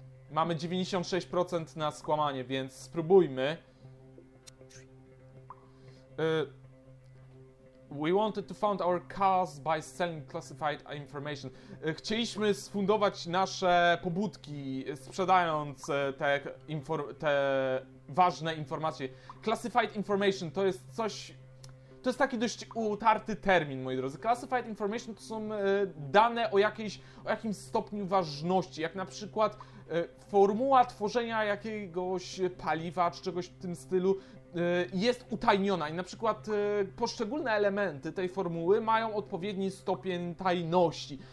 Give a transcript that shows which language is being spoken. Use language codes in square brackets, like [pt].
[pl] Mamy 96% na skłamanie, więc spróbujmy. [en] We wanted to fund our cause by selling classified information. [pl] Chcieliśmy sfundować nasze pobudki, sprzedając te ważne informacje. Classified information to jest coś... To jest taki dość utarty termin, moi drodzy. Classified information to są dane o jakimś stopniu ważności, jak na przykład formuła tworzenia jakiegoś paliwa czy czegoś w tym stylu jest utajniona i na przykład poszczególne elementy tej formuły mają odpowiedni stopień tajności.